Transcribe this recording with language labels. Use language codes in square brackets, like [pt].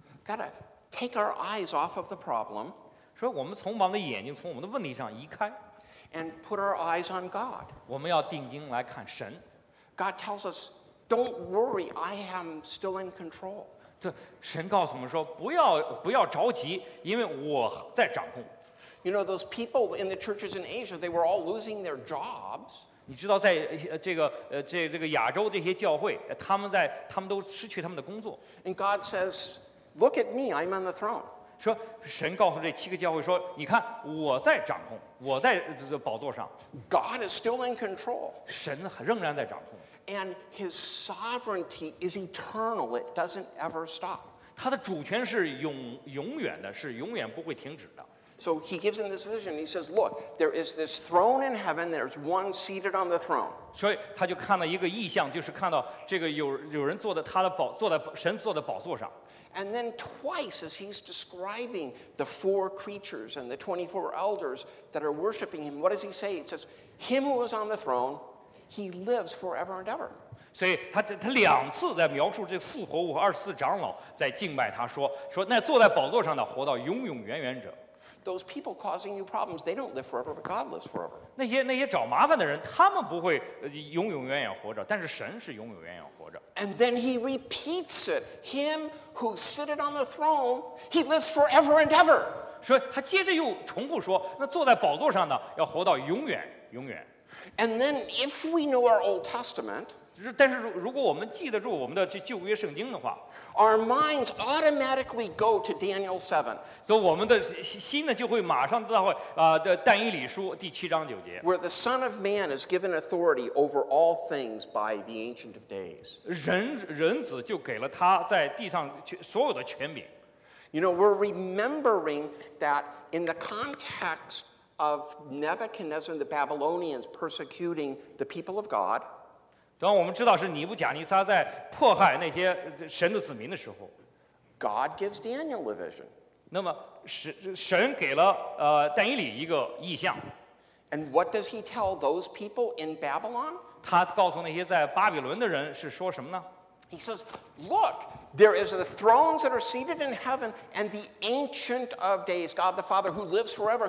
[en] Got to take our eyes off of the problem. [zh] 所以我们从我们的眼睛从我们的问题上移开。 [en] And put our eyes on God. [zh] 我们要定睛来看神。 [en] God tells us, "Don't worry, I am still in control." [zh] 对，神告诉我们说，不要着急，因为我在掌控。 [en] You know those people in the churches in Asia? They were all losing their jobs. [zh] 你知道在这个亚洲这些教会，他们都失去他们的工作。 [en] And God says, "Look at me, I'm on the throne." [zh] 说神告诉这七个教会说，你看我在掌控。我在宝座上。 [en] God is still in control. [zh] 神仍然在掌控。 [en] And His sovereignty is eternal; it doesn't ever stop. [zh] 他的主权是永远的，是永远不会停止的。 [en] So He gives him this vision. He says, "Look, there is this throne in heaven. There's one seated on the throne." [zh] 所以他就看到一个异象，就是看到这个有人坐在他的宝坐在神坐在宝座上。 [en] And then twice, as he's describing the four creatures and the 24 elders that are worshiping him, what does he say? It says, "Him who is on the throne, he lives forever and ever." So he [zh] 两次在描述这四活物和二十四长老在敬拜他说那坐在宝座上的活到永永远远者。 [en] Those people causing you problems, they don't live forever, but God lives forever. [zh] 那些找麻烦的人，他们不会永永远远活着，但是神是永永远远活着。 [en] And then he repeats it. Him who sitteth on the throne, he lives forever and ever. [zh] 所以他接着又重复说，那坐在宝座上的要活到永远永远。 [en] And then if we know our Old Testament, [zh] 但是如果我们记得住我们的这旧约圣经的话， [en] our minds automatically go to Daniel 7. [zh] 所以我们的心呢就会马上到但以理书第七章九节。 [en] Where the Son of Man is given authority over all things by the Ancient of Days. [zh] 人子就给了他在地上所有的权柄。 [en] You know, we're remembering that in the context of Nebuchadnezzar and the Babylonians persecuting the people of God, [zh] 当我们知道是尼布甲尼撒在迫害那些神的子民的时候， [en] God gives Daniel a vision. [zh] 那么神给了但以理一个异象。 [en] And what does he tell those people in Babylon? [zh] 他告诉那些在巴比伦的人是说什么呢？ [en] He says, "Look, there is the thrones that are seated in heaven, and the Ancient of Days, God the Father, who lives forever.